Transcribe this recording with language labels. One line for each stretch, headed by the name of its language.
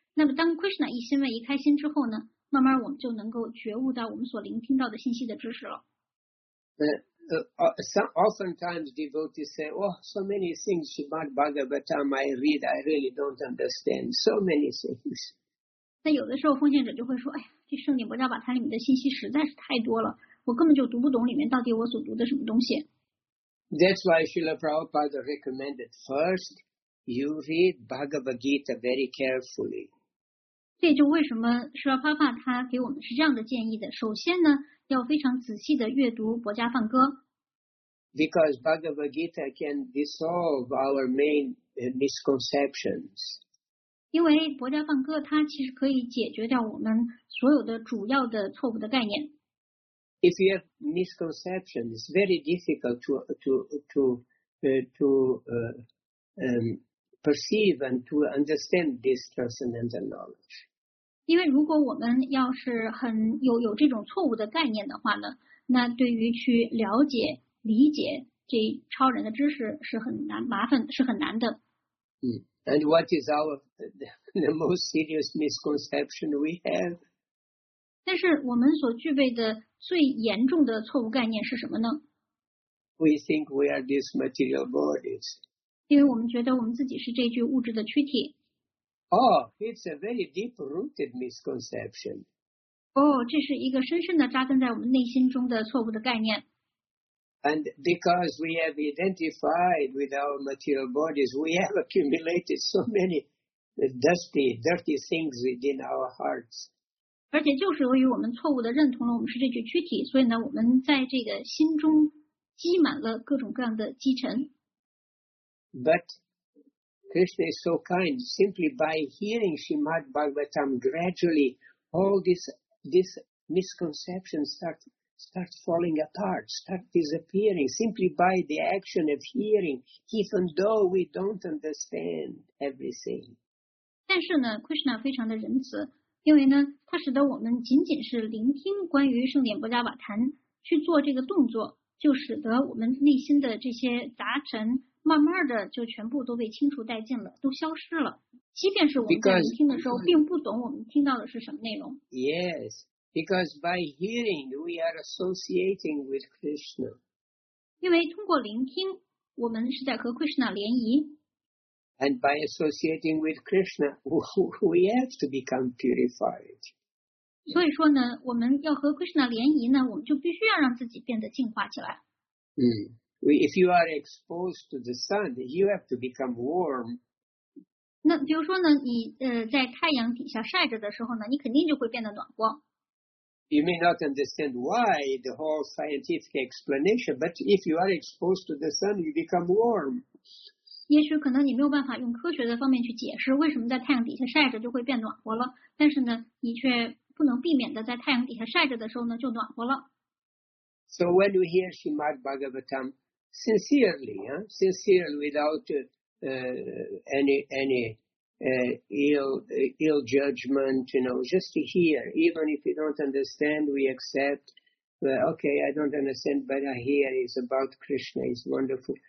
Chinese: 那么当 Krishna 一欣慰一开心之后呢，慢慢我们就能够觉悟到我们所聆听到的信息的知识了。
English: Oftentimes devotees say, oh, so many things Srimad Bhagavatam I read, I really don't understand. So many things.
Chinese: 那有的时候奉献者就会说，哎呀，这圣典薄伽梵里面的信息实在是太多了，我根本就读不懂里面到底我所读的什么东西。
English: That's why Srila Prabhupada recommended, first, you read Bhagavad Gita very carefully.
Chinese: 这就为什么 Srila Prabhupada 他给我们是这样的建议的，首先呢，要非常仔细的阅读薄伽梵歌。
English: Because Bhagavad Gita can dissolve our main misconceptions.
Chinese: 因为薄伽梵歌它其实可以解决掉我们所有的主要的错误的概念。
English: If you have misconceptions, it's very difficult to perceive and to understand this transcendental knowledge.
Chinese: 因为如果我们要是很有这种错误的概念的话呢，那对于去了解理解这超人的知识是很难麻烦是很难的。
English: And what is the most serious misconception we have?
Chinese: 但是我们所具备的最严重的错误概念是什么呢？
English: We think we are these material bodies.
Chinese: 因为我们觉得我们自己是这具物质的躯体。
English: Oh, it's a very deep-rooted misconception.
Chinese: Oh, 这是一个深深的扎根在我们内心中的错误的概念。
English: And because we have identified with our material bodies, we have accumulated so many dirty things within our hearts.
Chinese: 而且就是由于我们错误的认同了我们是这具躯体，所以呢，我们在这个心中积满了各种各样的积尘。
English: But Krishna is so kind. Simply by hearing Srimad Bhagavatam, gradually all these misconceptions start falling apart, start disappearing. Simply by the action of hearing, even though we don't understand everything.
Chinese: 但是呢 ，Krishna 非常的仁慈，因为呢，他使得我们仅仅是聆听关于圣典薄伽瓦坛去做这个动作，就使得我们内心的这些杂尘。慢慢的就全部都被清除殆尽了，都消失了。即便是我们在聆听的时候，并不懂我们听到的是什么内容。
English: Yes, because by hearing we are associating with Krishna.
Chinese: 因为通过聆听，我们是在和 Krishna 联谊。
English: And by associating with Krishna, we have to become purified.
Chinese: 所以说呢，我们要和 Krishna 联谊呢，我们就必须要让自己变得净化起来。
English: If you are exposed to the sun, you have to become warm.
Chinese: 那比如说呢，你在太阳底下晒着的时候呢，你肯定就会变得暖和。
English: You may not understand why the whole scientific explanation, but if you are exposed to the sun, you become warm.
Chinese: 也许可能你没有办法用科学的方面去解释为什么在太阳底下晒着就会变暖和了，但是呢，你却不能避免的在太阳底下晒着的时候呢就暖和了。
English: So when you hear Srimad Bhagavatam sincerely without any ill judgment, you know, just to hear, even if you don't understand, we accept, okay, I don't understand, but I hear it's about Krishna, it's wonderful.